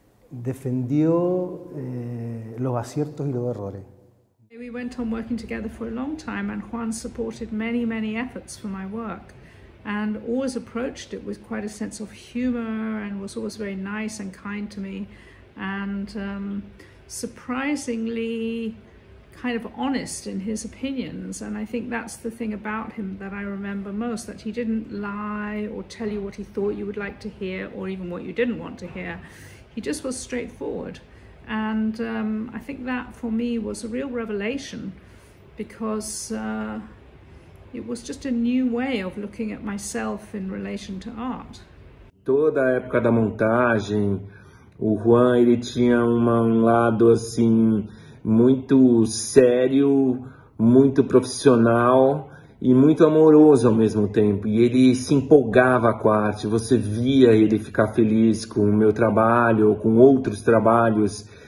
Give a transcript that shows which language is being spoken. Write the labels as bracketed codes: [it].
[es] Defendió los aciertos y los errores. [en] We went on working together for a long time and Juan supported many, many efforts for my work and always approached it with quite a sense of humor and was always very nice and kind to me and surprisingly kind of honest in his opinions. And I think that's the thing about him that I remember most, that he didn't lie or tell you what he thought you would like to hear or even what you didn't want to hear. He just was straightforward. And I think that for me was a real revelation because it was just a new way of looking at myself in relation to art. [pt] Toda a época da montagem, o Juan ele tinha um lado assim muito sério, muito profissional e muito amoroso ao mesmo tempo. E ele se empolgava com a arte, você via ele ficar feliz com o meu trabalho ou com outros trabalhos.